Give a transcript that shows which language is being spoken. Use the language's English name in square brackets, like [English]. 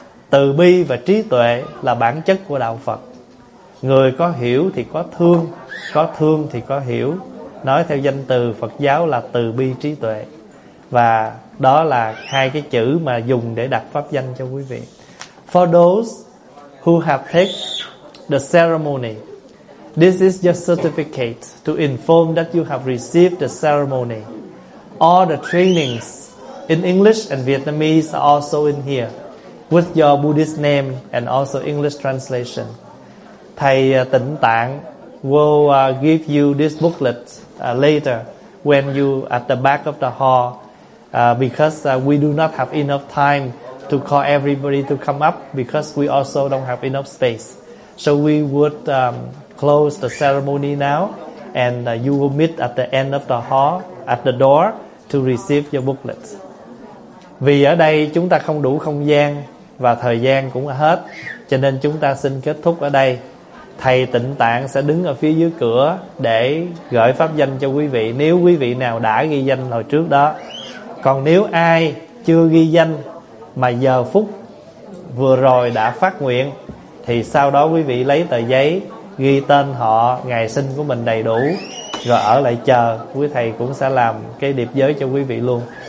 [Vietnamese] Từ bi và trí tuệ là bản chất của đạo Phật. Người có hiểu thì có thương, có thương thì có hiểu. Nói theo danh từ Phật giáo là từ bi trí tuệ. Và đó là hai cái chữ mà dùng để đặt pháp danh cho quý vị. [English] For those who have taken the ceremony, this is your certificate to inform that you have received the ceremony. All the trainings in English and Vietnamese are also in here, with your Buddhist name and also English translation. Thầy Tịnh Tạng will give you this booklet later when you at the back of the hall, because we do not have enough time to call everybody to come up, because we also don't have enough space. So we would close the ceremony now, and you will meet at the end of the hall at the door to receive your booklet. [Vietnamese] Vì ở đây chúng ta không đủ không gian và thời gian cũng hết, cho nên chúng ta xin kết thúc ở đây. Thầy Tịnh Tạng sẽ đứng ở phía dưới cửa để gửi pháp danh cho quý vị, nếu quý vị nào đã ghi danh hồi trước đó. Còn nếu ai chưa ghi danh mà giờ phút vừa rồi đã phát nguyện, thì sau đó quý vị lấy tờ giấy ghi tên họ, ngày sinh của mình đầy đủ, rồi ở lại chờ, quý thầy cũng sẽ làm cái điệp giới cho quý vị luôn.